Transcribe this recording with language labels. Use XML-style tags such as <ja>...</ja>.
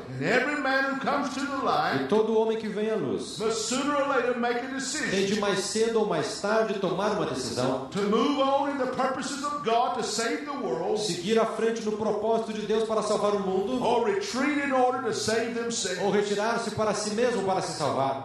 <en>And every man who comes to the light,</en> <pt>e todo homem que vem à luz,</pt> <en>but sooner or later make a decision,</en> <pt>tem de mais cedo ou mais tarde tomar uma decisão,</pt> <en>to move on in the purposes of God to save the world,</en> <pt>seguir à frente no propósito de Deus para salvar o mundo,</pt> <en>or retreat in order to save themselves,</en> <pt>ou retirar-se para si mesmo para se salvar.</pt>